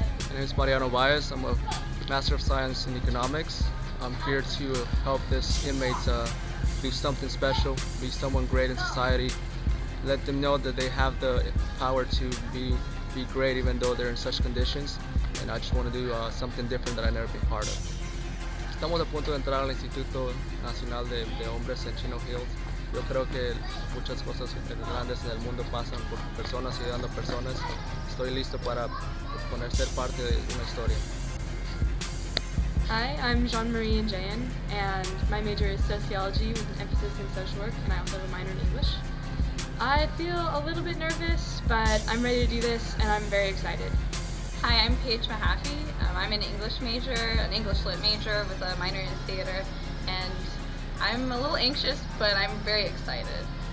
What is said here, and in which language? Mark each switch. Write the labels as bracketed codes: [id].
[en] My name is Mariano Baez. I'm a Master of Science in Economics. I'm here to help this inmate be something special, be someone great in society. Let them know that they have the power to be great even though they're in such conditions. And I just want to do something different that I've never been part of. [es] Estamos a punto de entrar al Instituto Nacional de Hombres en Chino Hills. Yo creo que muchas cosas grandes en el mundo pasan por personas y ayudando a personas. Estoy listo para poder ser parte de una historia. [en] Hi, I'm Jean-Marie Njayan, and my major is sociology with an emphasis in social work, and I also have a minor in English. I feel a little bit nervous, but I'm ready to do this, and I'm very excited. Hi, I'm Paige Mahaffey. I'm an English major, an English lit major with a minor in theater, and I'm a little anxious, but I'm very excited.